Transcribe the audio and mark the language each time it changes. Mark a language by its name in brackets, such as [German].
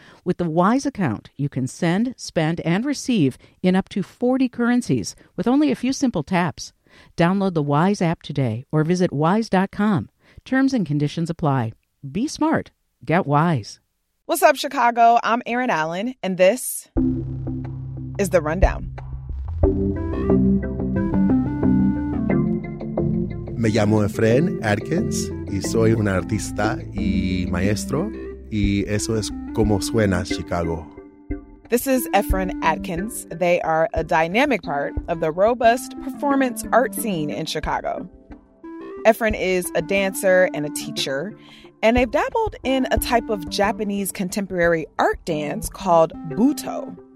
[English] With the Wise account, you can send, spend, and receive in up to 40 currencies with only a few simple taps. Download the Wise app today or visit wise.com. Terms and conditions apply. Be smart. Get Wise. What's up, Chicago? I'm Erin Allen, and this is The Rundown. [Spanish] Me llamo Efren Atkins y soy un artista y maestro, y eso es como suena Chicago. [English] This is Efren Atkins. They are a dynamic part of the robust performance art scene in Chicago. Efren is a dancer and a teacher, and they've dabbled in a type of Japanese contemporary art dance called Buto.